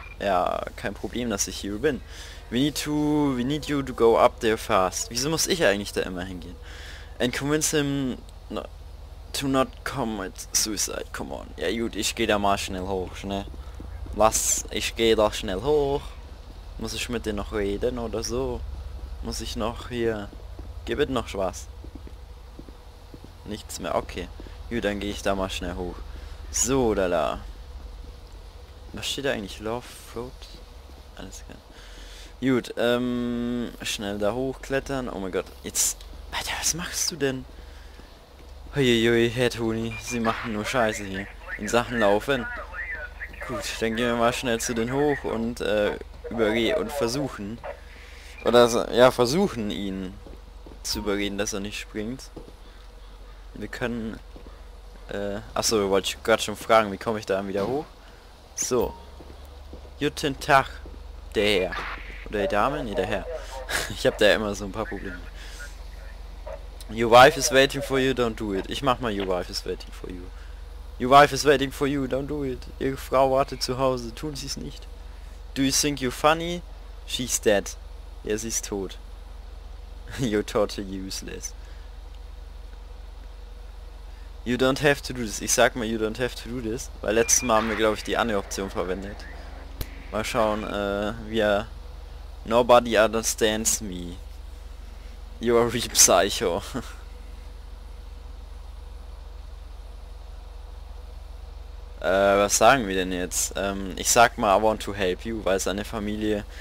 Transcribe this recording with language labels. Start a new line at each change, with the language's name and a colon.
German: Ja, kein Problem, dass ich hier bin.
English: We need you to go up there fast.
German: Wieso muss ich eigentlich da immer hingehen?
English: And convince him to not commit suicide. Come on.
German: Ja gut, ich gehe da mal schnell hoch, schnell. Was? Ich gehe da schnell hoch. Muss ich mit dir noch reden oder so? Muss ich noch hier? Gib it noch Spaß. Nichts mehr. Okay. Gut, dann gehe ich da mal schnell hoch. So, da la. Was steht da eigentlich? Love, Throat? Alles klar. Gut, schnell da hochklettern. Oh mein Gott, jetzt... Alter, was machst du denn? Huiuiui, Herr Toni, sie machen nur Scheiße hier. In Sachen laufen. Gut, dann gehen wir mal schnell zu den hoch und, übergehen und versuchen. Oder, ja, versuchen ihn zu überreden, dass er nicht springt. Wir können... achso, wollte ich gerade schon fragen, wie komme ich da wieder hoch? So, guten Tag, der Herr. Oder die Dame? Nee, der Herr. Ich habe da immer so ein paar Probleme.
English: Your wife is waiting for you, don't do it.
German: Ich mach mal,
English: your wife is waiting for you. Your wife is waiting for you, don't do it.
German: Ihre Frau wartet zu Hause, tun sie es nicht.
English: Do you think you're funny? She's dead.
German: Ja, sie ist tot.
English: You're totally useless. You don't have to do this.
German: Ich sag mal,
English: you don't have to do this.
German: Weil letztes Mal haben wir, glaube ich, die andere Option verwendet. Mal schauen, wir...
English: Nobody understands me. You are real psycho.
German: was sagen wir denn jetzt? Ich sag mal,
English: I want to help you,
German: weil seine Familie...